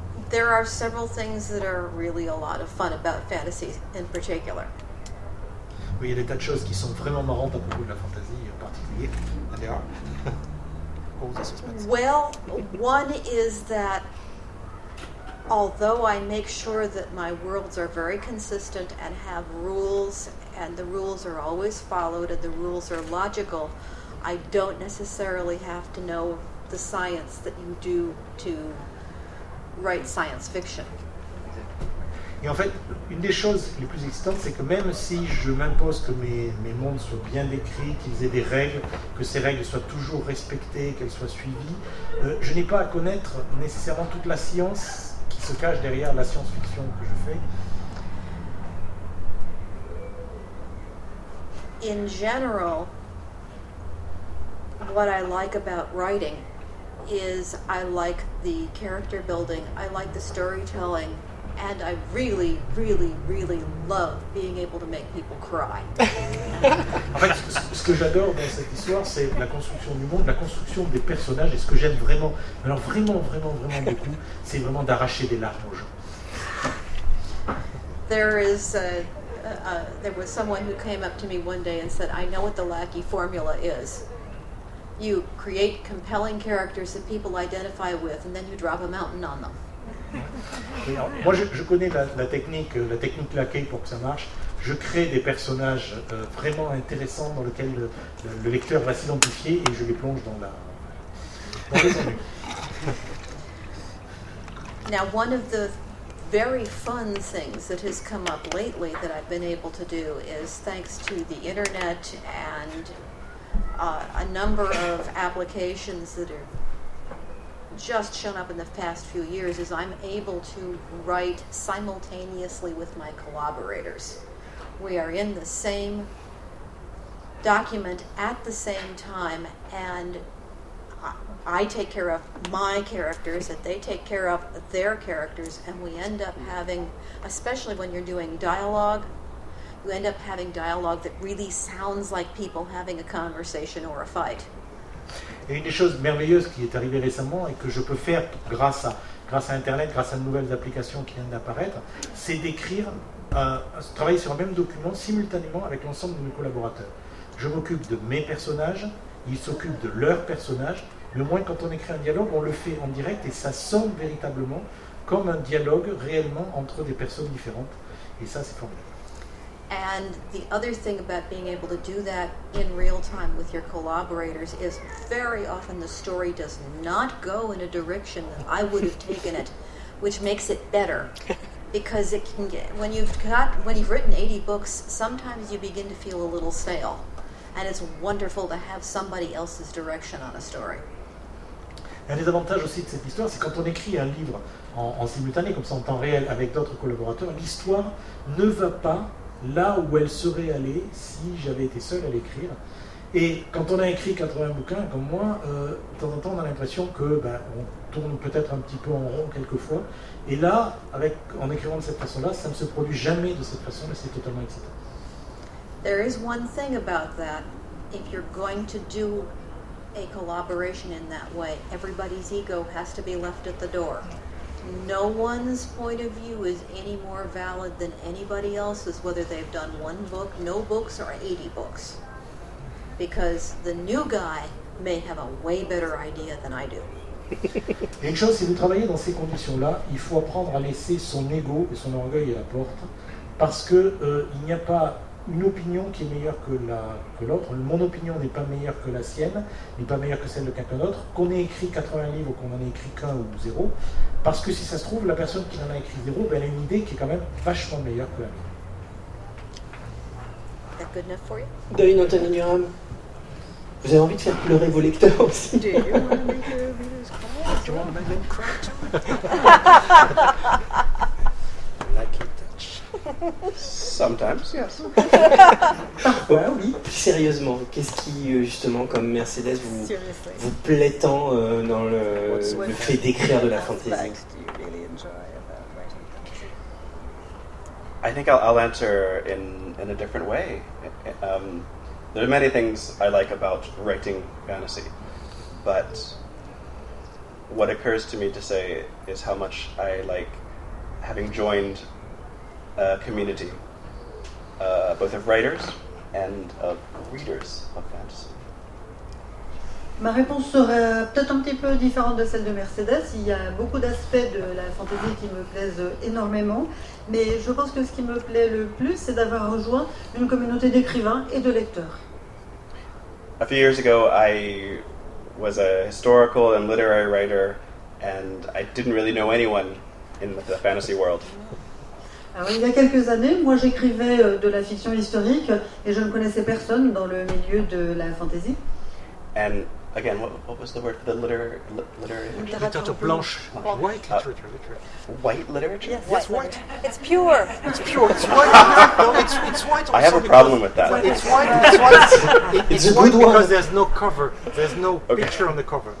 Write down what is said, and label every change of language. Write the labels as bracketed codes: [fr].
[en] There are several things that are really a lot of fun about fantasy in particular. [fr] Oui, il y a des tas de choses qui sont vraiment marrantes à propos de la fantasy en particulier. [en] And there are. Well, one is that although I make sure that my worlds are very consistent and have rules, and the rules are always followed and the rules are logical, I don't necessarily have to know the science that you do to write science fiction. [fr] Et en fait, une des choses les plus excitantes, c'est que même si je m'impose que mes mondes soient bien décrits, qu'ils aient des règles, que ces règles soient toujours respectées, qu'elles soient suivies, je n'ai pas à connaître nécessairement toute la science qui se cache derrière la science-fiction que je fais. [en] In general, what I like about writing is I like the character building, I like the storytelling, and I really, really, really love being able to make people cry. [fr] En fait, ce que j'adore dans cette histoire, c'est la construction du monde, la construction des personnages, et ce que j'aime vraiment, alors vraiment, vraiment, vraiment beaucoup, c'est vraiment d'arracher des larmes aux gens. [en] There was someone who came up to me one day and said, I know what the Lackey formula is. you create compelling characters that people identify with, and then you drop a mountain on them. [fr] Moi, je connais la technique laquée pour que ça marche. Je crée des personnages vraiment intéressants dans lesquels le lecteur va s'identifier et je les plonge dans la. [en] Now, one of the very fun things that has come up lately that I've been able to do is thanks to the internet and a number of applications that are just shown up in the past few years is I'm able to write simultaneously with my collaborators. We are in the same document at the same time, and I take care of my characters and they take care of their characters, and we end up having, especially when you're doing dialogue, you end up having dialogue that really sounds like people having a conversation or a fight. [fr] Et une des choses merveilleuses qui est arrivée récemment et que je peux faire grâce à Internet, grâce à de nouvelles applications qui viennent d'apparaître, c'est d'écrire, travailler sur un même document simultanément avec l'ensemble de mes collaborateurs. Je m'occupe de mes personnages, ils s'occupent de leurs personnages, mais au moins quand on écrit un dialogue, on le fait en direct et ça sonne véritablement comme un dialogue réellement entre des personnes différentes. Et ça, c'est formidable. [en] And the other thing about being able to do that in real time with your collaborators is very often the story does not go in a direction that I would have taken it, which makes it better. Because it can get, when you've written 80 books, sometimes you begin to feel a little stale. And it's wonderful to have somebody else's direction on a story. [fr] Un des avantages aussi de cette histoire, c'est quand on écrit un livre en simultané, comme ça en temps réel, avec d'autres collaborateurs, l'histoire ne va pas là où elle serait allée si j'avais été seul à l'écrire. Et quand on a écrit 80 bouquins, comme moi, de temps en temps, on a l'impression que on tourne peut-être un petit peu en rond quelquefois. Et là, en écrivant de cette façon-là, ça ne se produit jamais de cette façon, mais c'est totalement excitant. [en] There is one thing about that. If you're going to do a collaboration in that way, everybody's ego has to be left at the door. No one's point of view is any more valid than anybody else's, whether they've done one book, no books, or 80 books. Because the new guy may have a way better idea than I do. [fr] Une chose, si vous travaillez dans ces conditions-là, il faut apprendre à laisser son ego et son orgueil à la porte, parce que il n'y a pas une opinion qui est meilleure que l'autre. Mon opinion n'est pas meilleure que la sienne, n'est pas meilleure que celle de quelqu'un d'autre. Qu'on ait écrit 80 livres ou qu'on en ait écrit qu'un ou zéro, parce que si ça se trouve, la personne qui en a écrit zéro, elle a une idée qui est quand même vachement meilleure que la mienne. [en] That good enough for you? [fr] Devine, Anthony Durham, vous avez envie de faire pleurer vos lecteurs aussi? [en] Do you want to make them cry? Like it. Sometimes, yes. [fr] Parfois, oui. Plus sérieusement, qu'est-ce qui, justement, comme Mercedes, vous plaît tant dans le fait d'écrire de la fantasy? [en] I think I'll answer in a different way. There are many things I like about writing fantasy, but what occurs to me to say is how much I like having joined a community, both of writers and of readers of fantasy. [fr] Ma réponse serait peut-être un petit peu différente de celle de Mercedes. Il y a beaucoup d'aspects de la fantasy qui me plaisent énormément, mais je pense que ce qui me plaît le plus, c'est d'avoir rejoint une communauté d'écrivains et de lecteurs. [en] A few years ago, I was a historical and literary writer, and I didn't really know anyone in the fantasy world. [fr] Alors, il y a quelques années, moi j'écrivais de la fiction historique et je ne connaissais personne dans le milieu de la fantasy. [en] And again, what was the word for the literary literature blanche? White literature. White literature? Yes, what's white? It's pure. It's white. No, it's white. I have a problem with that. It's white. It's white. It's white good because one. There's no cover. There's no picture on the cover.